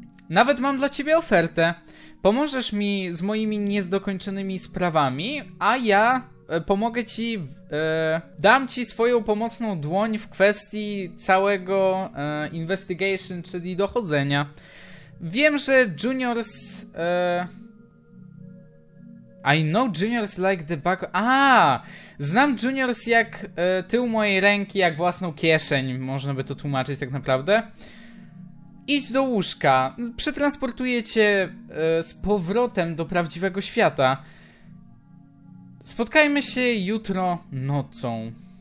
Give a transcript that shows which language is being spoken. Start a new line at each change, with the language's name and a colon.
Polish: Nawet mam dla ciebie ofertę. Pomożesz mi z moimi niezdokończonymi sprawami, a ja pomogę ci, dam ci swoją pomocną dłoń w kwestii całego investigation, czyli dochodzenia. Wiem, że juniors...
English: I know juniors like the back...
Polish: Znam juniors jak tył mojej ręki, jak własną kieszeń, można by to tłumaczyć tak naprawdę. Idź do łóżka, przetransportuję cię z powrotem do prawdziwego świata. Spotkajmy się jutro nocą.